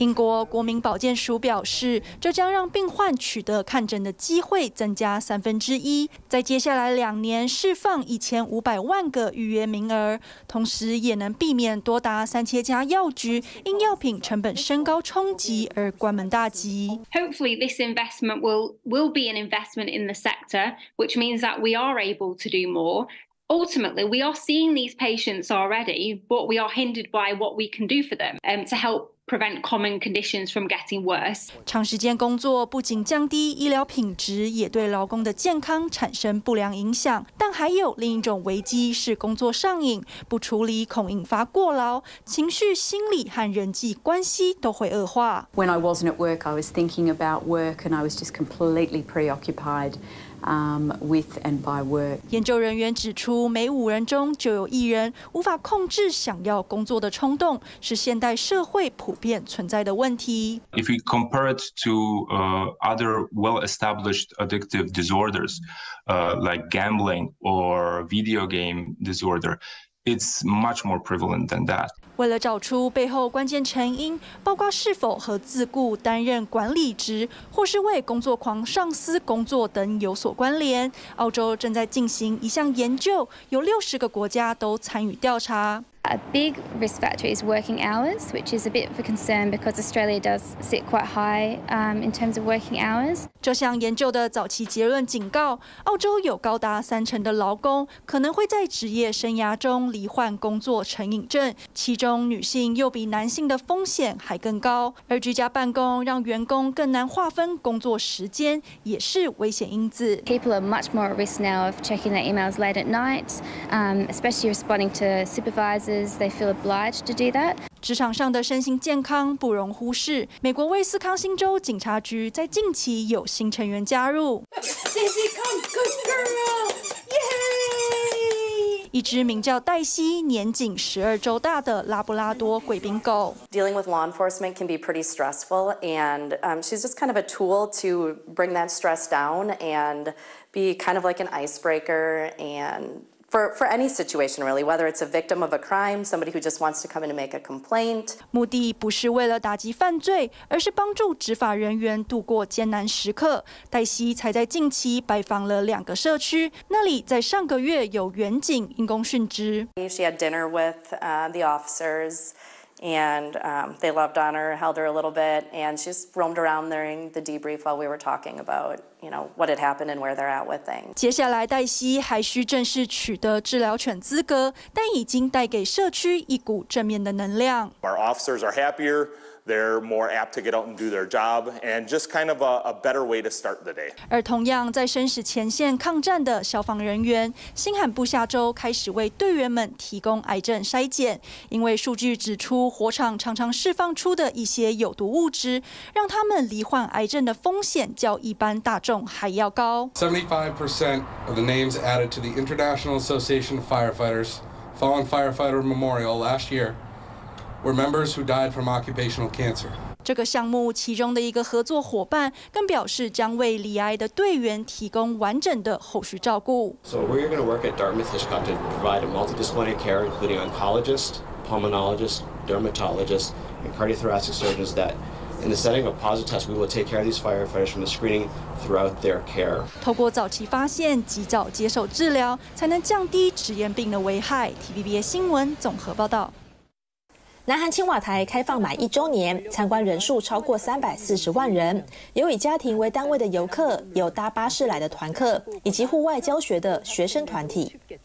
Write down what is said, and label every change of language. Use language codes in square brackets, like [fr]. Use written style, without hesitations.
[zh] 英国国民保健署表示，这将让病患取得看诊的机会增加1/3，在接下来2年释放1500万个预约名额，同时也能避免多达3000家药局因药品成本升高冲击而关门大吉。 [en] Hopefully, this investment will be an investment in the sector, which means that we are able to do more. Ultimately, we are seeing these patients already, but we are hindered by what we can do for them, to help prevent common conditions from getting worse. [zh] 长时间工作不仅降低医疗品质，也对劳工的健康产生不良影响。但还有另一种危机是工作上瘾，不处理恐引发过劳，情绪、心理和人际关系都会恶化。 [en] When I wasn't at work, I was thinking about work, and I was just completely preoccupied. With and by work. [zh] 研究人员指出，每5人中就有1人无法控制想要工作的冲动，是现代社会普遍存在的问题。 [en] If we compare it to other well-established addictive disorders, like gambling or video game disorder, it's much more prevalent than that. [zh] 为了找出背后关键成因，包括是否和自雇担任管理职，或是为工作狂上司工作等有所关联，澳洲正在进行一项研究，有60个国家都参与调查。 [en] A big risk factor is working hours, which is a bit of a concern because Australia does sit quite high, in terms of working hours. [zh] 这项研究的早期结论警告，澳洲有高达30%的劳工可能会在职业生涯中罹患工作成瘾症，其中女性又比男性的风险还更高。而居家办公让员工更难划分工作时间，也是危险因子。 [en] People are much more at risk now of checking their emails late at night, especially responding to supervisors. They feel obliged to do that. [zh] 职场上的身心健康不容忽视。美国威斯康星州警察局在近期有新成员加入。 [en] Daisy, come, good girl, yay! [zh] 一只名叫黛西、年仅12周大的拉布拉多贵宾狗。 [en] Dealing with law enforcement can be pretty stressful, and she's just kind of a tool to bring that stress down and be kind of like an icebreaker and. For any situation, really, whether it's a victim of a crime, somebody who just wants to come in and make a complaint. [zh] 目的不是为了打击犯罪，而是帮助执法人员度过艰难时刻。黛西才在近期拜访了2个社区，那里在上个月有员警因公殉职。 [en] She had dinner with the officers, and they loved on her, held her a little bit, and she just roamed around during the debrief while we were talking about. You know what had happened and where they're at with things. [zh] 接下来，黛西还需正式取得治疗犬资格，但已经带给社区一股正面的能量。 [en] Our officers are happier. They're more apt to get out and do their job, and just kind of a better way to start the day. [zh] 而同样在生死前线抗战的消防人员，新罕布夏州开始为队员们提供癌症筛检，因为数据指出火场常常释放出的一些有毒物质，让他们罹患癌症的风险较一般大。 [en] 75% of the names added to the International Association of Firefighters Fallen Firefighter Memorial last year were members who died from occupational cancer. [zh] 这个项目其中的一个合作伙伴更表示，将为罹癌的队员提供完整的后续照顾。 [en] So we're going to work at Dartmouth Hitchcock to provide a multidisciplinary care, including oncologists, pulmonologists, dermatologists, and cardiothoracic surgeons that. In the setting of a positive test, we will take care of these firefighters from the screening throughout their care. [zh] 透过早期发现，及早接受治疗，才能降低职业病的危害。 TVBS 新闻综合报道。南韩青瓦台开放满一周年，参观人数超过340万人，有以家庭为单位的游客，有搭巴士来的团客，以及户外教学的学生团体。